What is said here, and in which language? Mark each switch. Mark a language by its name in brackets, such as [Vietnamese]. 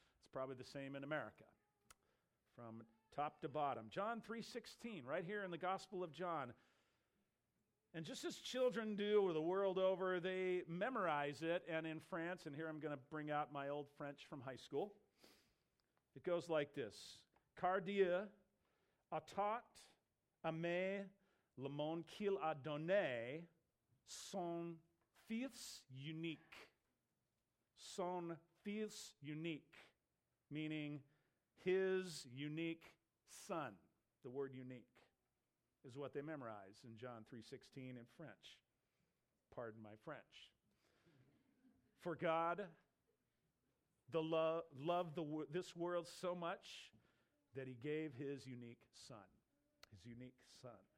[English] It's probably the same in America. From top to bottom. John 3:16, right here in the Gospel of John. And just as children do the world over, they memorize it. And in France, and here I'm going to bring out my old French from high school. It goes like this. [French] Car Dieu a tant aimé le monde qu'il a donné son fils unique. Son fils unique, [English] meaning his unique son. The word unique is what they memorize in John 3:16 in French. Pardon my French. For God loved this world so much that he gave his unique son. His unique son.